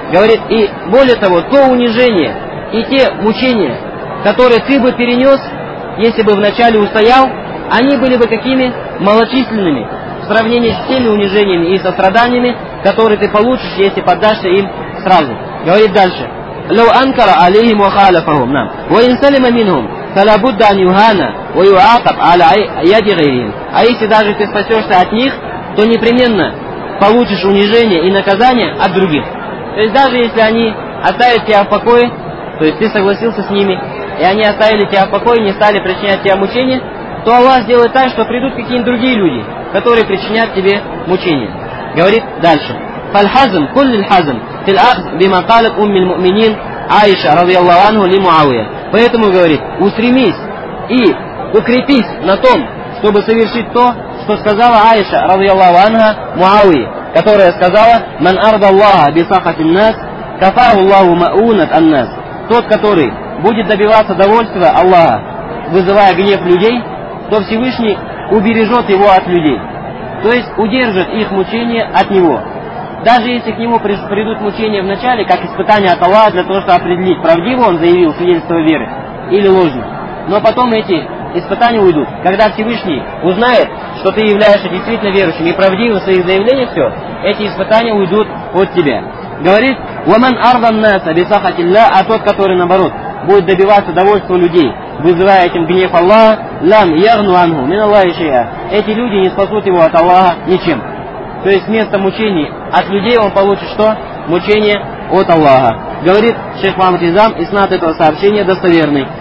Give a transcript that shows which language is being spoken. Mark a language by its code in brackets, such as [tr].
[ru] Говорит, и более того, то унижение и те мучения, которые ты бы перенес, если бы вначале устоял, они были бы какими? Малочисленными в сравнении с теми унижениями и со страданиями, которые ты получишь, если поддашься им сразу. Говорит дальше. [ar] لو أنكر عليهم وخالفهم نعم وإن سلم منهم فلا بد أن يهان ويعاقب على يد غيرهم. [ru] А если даже ты спасешься от них, то непременно получишь унижение и наказание от других. То есть даже если они оставят тебя в покое, то есть ты согласился с ними, и они оставили тебя в покое, не стали причинять тебе мучения, то Аллах сделает так, что придут какие-нибудь другие люди, которые причинят тебе мучения. Говорит дальше. [ar] فالحزم كل الحزم في الأخذ بما قالت أم المؤمنين عائشة رضي الله عنه لمعاوية. [ru] Поэтому говорит, устремись и укрепись на том, чтобы совершить то, что сказала Аиша [ar] رضي الله عنها معاوية, [ru] которая сказала: [ar] من أرضى الله بسخط الناس كفاه الله مؤونة الناس. [ru] Тот, который будет добиваться довольства Аллаха, вызывая гнев людей, то Всевышний убережет его от людей, то есть удержит их мучения от него. Даже если к нему придут мучения в начале, как испытание от Аллаха для того, чтобы определить, правдиво он заявил свидетельство веры или ложно. Но потом эти испытания уйдут. Когда Всевышний узнает, что ты являешься действительно верующим и правдиво в своих заявлениях, все, эти испытания уйдут от тебя. Говорит, [ar] وَمَنْ أَرْضَ النَّاسَ بِسَخَطِ اللَّهِ. [ru] А тот, который, наоборот, будет добиваться довольства людей, вызывая этим гнев Аллаха, [ar] لَمْ يَغْنُ عَنْهُ مِنَ اللَّهِ شَيْئًا. [ru] Эти люди не спасут его от Аллаха ничем. То есть вместо мучений от людей он получит что? Мучение от Аллаха. Говорит шейх Мухаммад Изам, иснад этого сообщения достоверный.